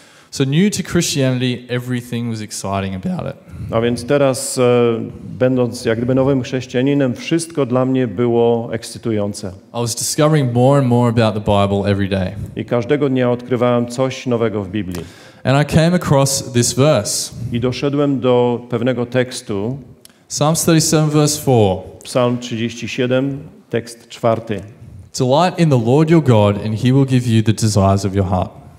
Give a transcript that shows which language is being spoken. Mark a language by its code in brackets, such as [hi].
[en] So new to Christianity, everything was exciting about it. [pl] A więc teraz, będąc jak gdyby nowym chrześcijaninem, wszystko dla mnie było ekscytujące. [en] I was discovering more and more about the Bible every day. [pl] I każdego dnia odkrywałem coś nowego w Biblii. [en] And I came across this verse. [pl] I doszedłem do pewnego tekstu. [en] Psalm 37, verse 4. [pl] Psalm 37, tekst 4. [en] Delight in the Lord your God, and He will give you the desires of your heart.